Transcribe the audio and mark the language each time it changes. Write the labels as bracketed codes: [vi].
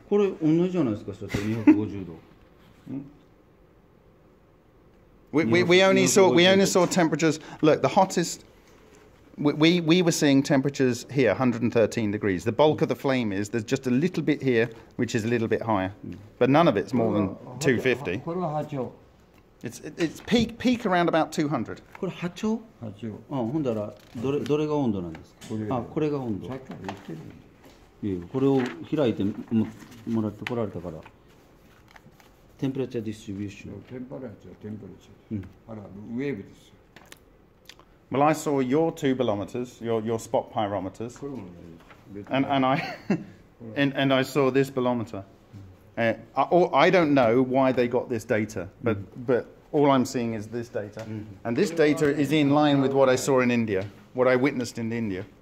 [en] We only saw temperatures... Look, the hottest... We were seeing temperatures here, 113 degrees. The bulk of the flame is, there's just a little bit here, which is a little bit higher. But none of it's more than 250. It's peak around about 200. [ja] これ波長？波長。ほんだらどれが温度なんですか？これが温度。これを開いてもらって来られたから。 [en] テンプレチャーディストリビューション。テンプレチャー、テンプレチャー。 [ja] あら、ウェーブですよ。 [en] Well, I saw your two bolometers, your spot pyrometers, and I saw this bolometer. I don't know why they got this data, but all I'm seeing is this data, and this data is in line with what I saw in India, what I witnessed in India.